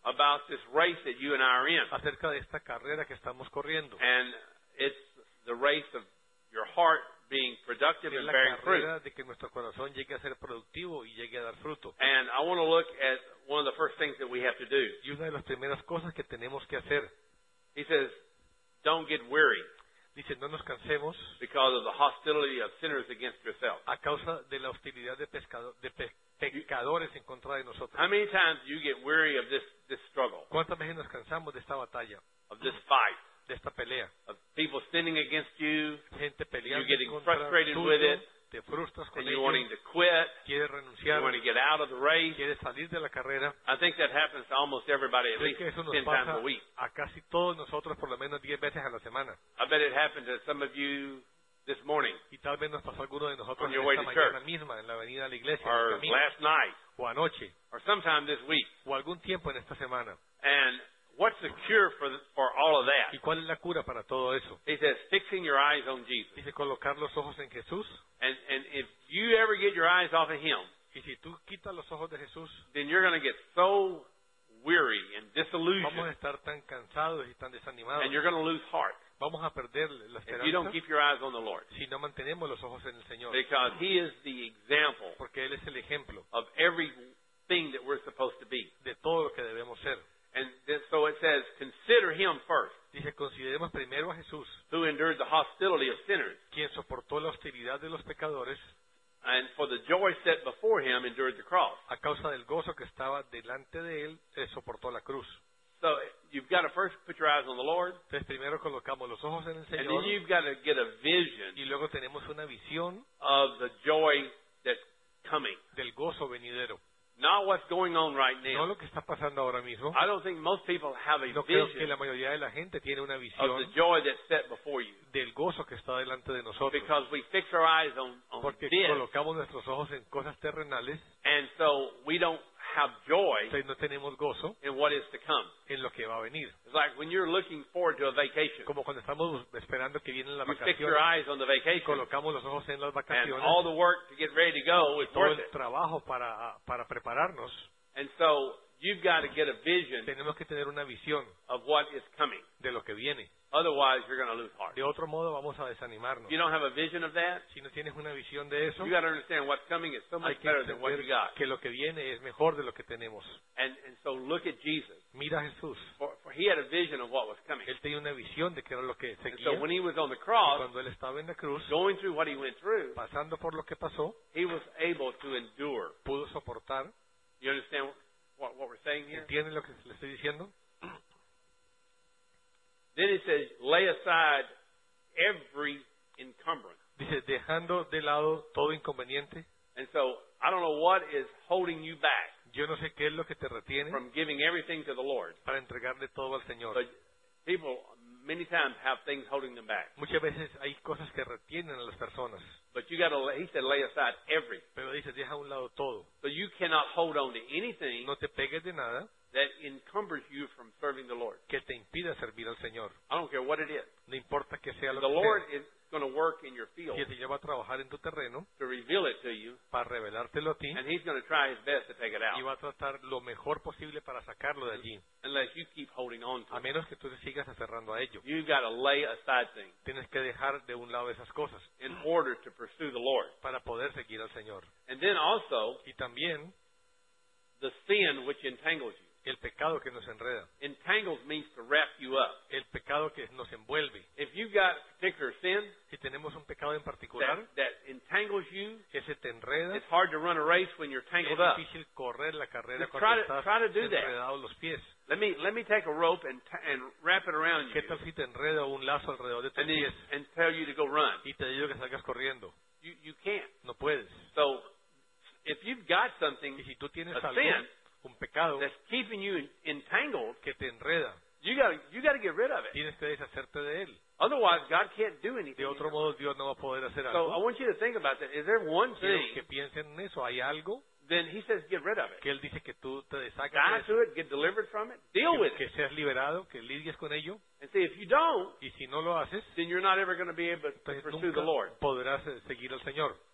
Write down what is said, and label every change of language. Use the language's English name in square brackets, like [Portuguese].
[English] about this race that you and I are in, [Spanish] acerca de esta carrera que estamos corriendo, [English] and it's the race of your heart being productive [Spanish] es [English] and bearing fruit. [Spanish] La carrera de que nuestro corazón llegue a ser productivo y llegue a dar fruto. [English] And I want to look at one of the first things that we have to do. [Spanish] Y una de las primeras cosas que tenemos que hacer. [English] He says, don't get weary. [Spanish] Dice, no nos cansemos [English] because of the hostility of sinners against yourself. [Spanish] A causa de la hostilidad de pecadores en contra de nosotros. [English] How many times do you get weary of this struggle? [Spanish] ¿Cuántas veces nos cansamos de esta batalla? [English] Of this fight. [Spanish] De esta pelea. [English] Of people sinning against you. [Spanish] Gente peleando. [English] You're getting frustrated with it. [Spanish] Te frustras con [English] ellos. And you're wanting to quit. [Spanish] Quieres renunciar. [English] You want to get out of the race. [Spanish] Quieres salir de la carrera. [English] I think that happens to almost everybody at least 10 times a week. [Spanish] A casi todos nosotros por lo menos 10 veces a la semana. [English] I bet it happened to some of you this morning. [Spanish] Y tal vez nos pasó a alguno de nosotros [English] on your way [Spanish] esta [English] to church. [Spanish] Mañana misma en la avenida de la iglesia. [English] Or last night. [Spanish] O anoche. [English] Or sometime this week. [Spanish] O algún tiempo en esta semana. [English] And what's the cure for all of that? [Spanish] ¿Y cuál es la cura para todo eso? [English] He says, fixing your eyes on Jesus. [Spanish] Dice, colocar los ojos en Jesús. [English] And if you ever get your eyes off of him, [Spanish] y si tú quitas los ojos de Jesús, [English] then you're going to get so weary and disillusioned. [Spanish] Vamos a estar tan cansados y tan desanimados. [English] And you're going to lose heart. [Spanish] Vamos a perder la esperanza. [English] If you don't keep your eyes on the Lord. [Spanish] Si no mantenemos los ojos en el Señor. [English] Because he is the example. [Spanish] Porque él es el ejemplo. [English] Of everything that we're supposed to be. [Spanish] De todo lo que debemos ser. [English] And then, so it says, consider him first. [Spanish] Dice, consideremos primero a Jesús. [English] Who endured the hostility of sinners. [Spanish] Quien soportó la hostilidad de los pecadores. [English] And for the joy set before him, endured the cross. [Spanish] A causa del gozo que estaba delante de él, soportó la cruz. [English] So you've got to first put your eyes on the Lord. [Spanish] Entonces primero colocamos los ojos en el Señor. [English] And then you've got to get a vision. [Spanish] Y luego tenemos una visión. [English] Of the joy that's coming. [Spanish] Del gozo venidero. [English] Not what's going on right now. [Spanish] No lo que está pasando ahora mismo. [English] I don't think most people have a [Spanish] no [English] vision. [Spanish] Creo que la mayoría de la gente tiene una visión [English] of the joy that's set before you. [Spanish] Del gozo que está delante de nosotros. [English] Because we fix our eyes on [Spanish] porque [English] this. [Spanish] Colocamos nuestros ojos en cosas terrenales. [English] And so we don't have joy [Spanish] gozo [English] in what is to come. [Spanish] En lo que va a venir. [English] It's like when you're looking forward to a vacation. [Spanish] Como cuando estamos esperando que vienen las [English] you [Spanish] vacaciones, [English] fix your eyes on the vacation. [Spanish] Colocamos los ojos en las vacaciones, [English] and all the work to get ready to go is [Spanish] todo [English] worth [Spanish] el trabajo para prepararnos. [English] And so you've got to get a vision [Spanish] tenemos que tener una visión [English] of what is coming. [Spanish] De lo que viene. [English] Otherwise, you're going to lose heart. [Spanish] De otro modo, vamos a desanimarnos. [English] If you don't have a vision of that, [Spanish] si no tienes una visión de eso, [English] you've got to understand what's coming is so much better than what you got. [Spanish] Que lo que viene es mejor de lo que tenemos. [English] And so look at Jesus. [Spanish] Mira a Jesús. [English] For he had a vision of what was coming. [Spanish] Él tenía una visión de qué era lo que seguía. [English] And so when he was on the cross, [Spanish] cuando él estaba en la cruz, [English] going through what he went through, [Spanish] pasando por lo que pasó, [English] he was able to endure. [Spanish] Pudo soportar. [English] You understand what we're saying here? [Spanish] ¿Entienden lo que le estoy diciendo? [English] Then it says, lay aside every encumbrance. [Spanish] Dice, dejando de lado todo inconveniente. [English] And so, I don't know what is holding you back. [Spanish] Yo no sé qué es lo que te retiene. [English] From giving everything to the Lord. [Spanish] Para entregarle todo al Señor. [English] But people, many times, have things holding them back. [Spanish] Muchas veces hay cosas que retienen a las personas. [English] But you got to, he said, lay aside everything. [Spanish] Pero dice, deja a un lado todo. [English] But you cannot hold on to anything. [Spanish] No te pegues de nada. [English] That encumbers you from serving the Lord. [Spanish] Que te impida servir al Señor. [English] I don't care what it is. [Spanish] No importa que sea lo que [English] the Lord is going to work in your field. [Spanish] Y el Señor va a trabajar en tu terreno. [English] To reveal it to you. [Spanish] Para revelártelo a ti. [English] And he's going to try his best to take it out. [Spanish] Y va a tratar lo mejor posible para sacarlo de allí. [English] Unless you keep holding on to it. [Spanish] A menos que tú te sigas aferrando a ello. [English] You've got to lay aside things. [Spanish] Tienes que dejar de un lado esas cosas. [English] In order to pursue the Lord. [Spanish] Para poder seguir al Señor. [English] And then also. [Spanish] Y también. [English] The sin which entangles you. [Spanish] El pecado que nos enreda. [English] Entangles means to wrap you up. [Spanish] El pecado que nos envuelve. [English] If you've got a particular sin, [Spanish] si tenemos un pecado en particular, [English] that entangles you, [Spanish] que se te enreda, [English] it's hard to run a race when you're tangled [Spanish] up. Es difícil correr la carrera cuando estás enredado los pies. [English] Let me take a rope and wrap it around you. [Spanish] ¿Qué tal si te enredo un lazo alrededor de tus pies? [English] And tell you to go run. [Spanish] Y te digo que salgas corriendo. [English] You can't. [Spanish] No puedes. [English] So, if you've got something, [Spanish] y si tú tienes [English] a sin, [Spanish] un pecado [English] that's keeping you entangled, [Spanish] que te enreda. [English] You gotta get rid of it. [Spanish] Tienes que deshacerte de él. [English] Otherwise, God can't do anything. [Spanish] De otro modo, Dios no va a poder hacer [English] so [Spanish] algo. [English] So I want you to think about that. Is there one [Spanish] quiero [English] thing [Spanish] que piensen en eso? ¿Hay algo? [English] Then he says, get rid of it. [Spanish] Que él dice que tú te deshagas de eso. [English] Die to it, get delivered from it. Deal [Spanish] que, [English] with [Spanish] que [English] it. [Spanish] Que seas liberado, que lidies con ello. [English] And see, if you don't, [Spanish] y si no lo haces, [English] then you're not ever going to be able to pursue the Lord. [Spanish] Podrás seguir al Señor.